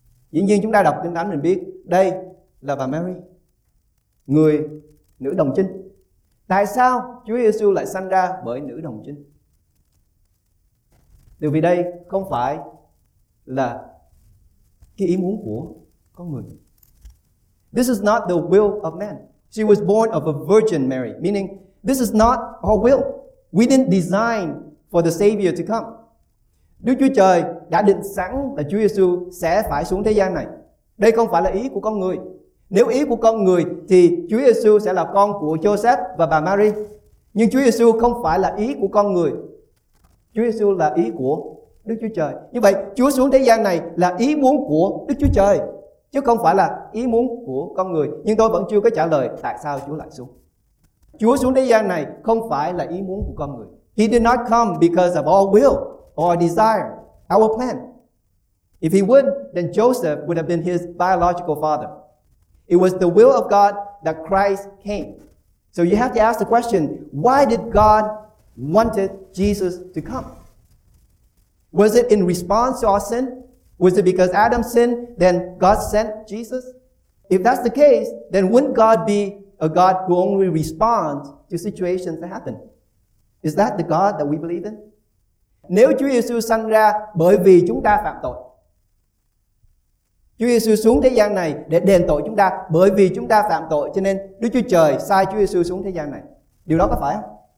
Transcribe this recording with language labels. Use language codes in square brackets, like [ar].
[vi] Dĩ nhiên chúng ta đọc Kinh Thánh mình biết đây là bà Mary, người nữ đồng trinh. Tại sao Chúa Giêsu lại sanh ra bởi nữ đồng trinh? Điều vì đây không phải là cái ý muốn của con người. [en] This is not the will of man. She was born of a virgin Mary, meaning this is not our will. We didn't design for the Savior to come. [vi] Đức Chúa Trời đã định sẵn là Chúa Giêsu sẽ phải xuống thế gian này. Đây không phải là ý của con người. Nếu ý của con người thì Chúa Giêsu sẽ là con của Joseph và bà Mary. Nhưng Chúa Giêsu không phải là ý của con người. Chúa Giêsu là ý của Đức Chúa Trời. Như vậy, Chúa xuống thế gian này là ý muốn của Đức Chúa Trời, chứ không phải là ý muốn của con người. Nhưng tôi vẫn chưa có trả lời tại sao Chúa lại xuống. Chúa xuống thế gian này không phải là ý muốn của con người. [en] He did not come because of our will. Our desire, our plan. If he would, then Joseph would have been his biological father. It was the will of God that Christ came. So you have to ask the question, why did God wanted Jesus to come? Was it in response to our sin? Was it because Adam sinned, then God sent Jesus? If that's the case, then wouldn't God be a God who only responds to situations that happen? Is that the God that we believe in? [vi] Nếu Chúa Giêsu sanh ra bởi vì chúng ta phạm tội, Chúa Giêsu xuống thế gian này để đền tội chúng ta, bởi vì chúng ta phạm tội cho nên Đức Chúa Trời sai Chúa Giêsu xuống thế gian này, điều đó có phải không?